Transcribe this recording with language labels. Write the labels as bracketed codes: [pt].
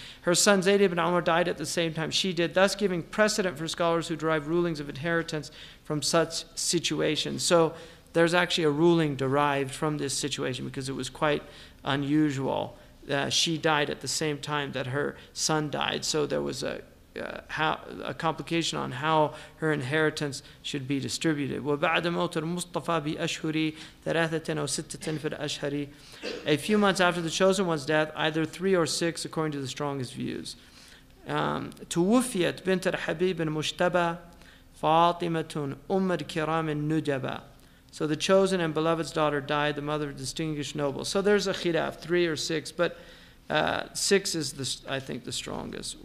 [en] Her son Zayd ibn Umar died at the same time she did, thus giving precedent for scholars who derive rulings of inheritance from such situations. So there's actually a ruling derived from this situation because it was quite unusual. She died at the same time that her son died, so there was a complication on how her inheritance should be distributed. [ar] وبعد موت المصطفى بأشهر ثلاثة أو ستة في الأشهر. [en] A few months after the chosen one's death, either 3 or 6, according to the strongest views. [ar] توفيت بنت الحبيب المشتبى فاطمة أم الكرام النجبة. [en] So the chosen and beloved's daughter died, the mother of distinguished nobles. So there's a khilaf, 3 or 6, but 6 is the strongest.